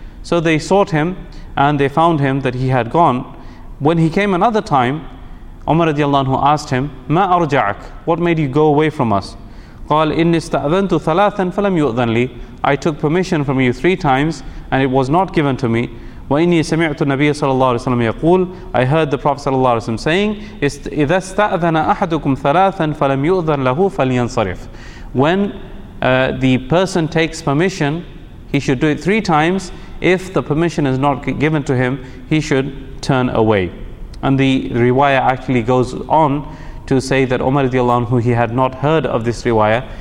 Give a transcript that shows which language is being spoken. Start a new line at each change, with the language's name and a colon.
English: So they sought him and they found him that he had gone. When he came another time, Umar radiallahu anhu asked him,
Arabic: مَا أَرْجَعَكْ.
English: What made you go away from us?
Arabic: قَالْ إِنِّي اسْتَأْذَنْتُ ثَلَاثًا فَلَمْ يُؤْذَنْ لِي.
English: I took permission from you three times and it was not given to me.
Arabic: وَإِنِّي سَمِعْتُ النَّبِيَّ صَلَى اللَّهُ عَلَيْهِ وَسَلَّمَ يَقُولُ.
English: I heard the Prophet
Arabic: صلى الله عليه وسلم
English: saying,
Arabic: إِذَا اسْتَأْذَنَ أَحَدُكُمْ ثَلَاثًا فَلَمْ يُؤْذَنْ لَهُ فَلْيَنْصَرِفْ.
English: When the person takes permission, he should do it three times. If the permission is not given to him, he should turn away. And the riwayah actually goes on to say that Umar radiallahu anhu, he had not heard of this riwayah.